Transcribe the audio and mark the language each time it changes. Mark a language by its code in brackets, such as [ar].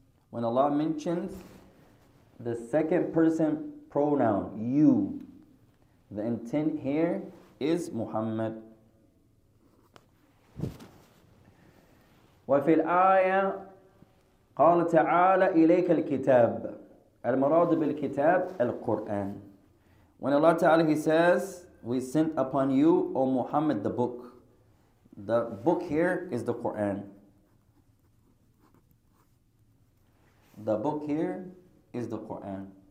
[en] When Allah mentions the second person pronoun, you, the intent here is Muhammad. [ar] وفي الآية قال تعالى إليك الكتاب المراد بالكتاب القرآن. [en] When Allah Ta'ala, He says, we sent upon you, O Muhammad, the book. The book here is the Quran. The book here is the Quran.